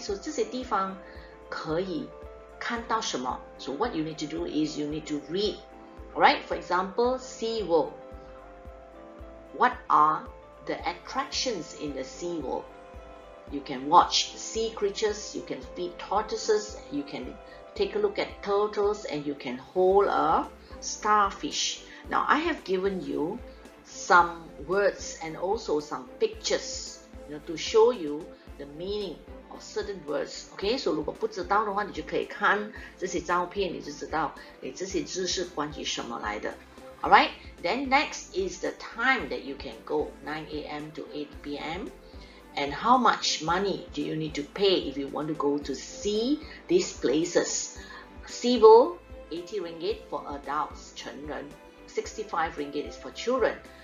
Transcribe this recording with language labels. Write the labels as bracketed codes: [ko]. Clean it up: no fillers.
[zh] So 这些地方可以 看到什么? [en] So what you need to do is you need to read. Alright, for example, Sea World. What are the attractions in the Sea World? You can watch sea creatures, you can feed tortoises, you can take a look at turtles, and you can hold a starfish. Now I have given you some words and also some pictures, you know, to show you the meaning of certain words. [zh] Okay, so 如果不知道的话，你就可以看这些照片，你就知道，诶，这些字是关于什么来的。 [en] Alright, then next is the time that you can go, 9 a.m. to 8 p.m. and how much money do you need to pay if you want to go to see these places? Sibo, 80 ringgit for adults, 成人, 65 ringgit is for children.